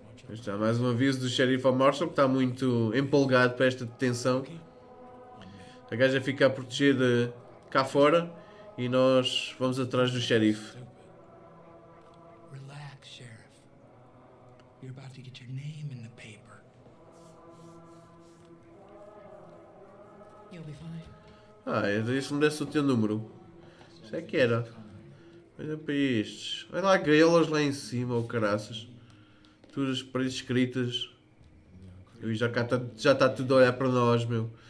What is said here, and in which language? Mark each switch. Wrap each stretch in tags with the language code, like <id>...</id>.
<pt>Está mais um aviso do xerife ao Marshall, que está muito empolgado para esta detenção. A gaja fica a proteger cá fora e nós vamos atrás do xerife.</pt> <en>Relax, sheriff. You're about to get your name in the paper. You'll be fine.</en> <pt>Ah, isso me desse o teu número. Isso é que era. Olha para estes. Olha lá, grelas lá em cima, ou caraças. Todas as paredes escritas. E já está tudo a olhar para nós, meu.</pt>